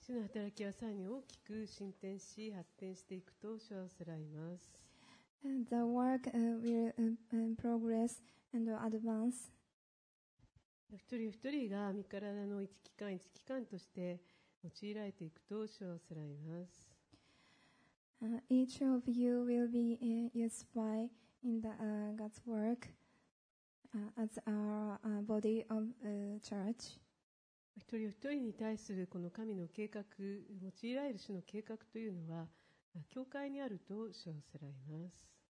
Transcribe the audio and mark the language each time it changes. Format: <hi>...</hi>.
<ja>働きはさらに大きく進展し発展していくと主はおせられます。</ja> <en>The work will progress and advance。</en> <ja>一人一人が身体の一機関一機関として用いられていくと主はおせられます。</ja> <en>Each of you will be used by in the, God's work as our body of church。</en> <ja>一人一人に対するこの神の計画、用いられる主の計画というのは教会にあると主はおせられます。</ja>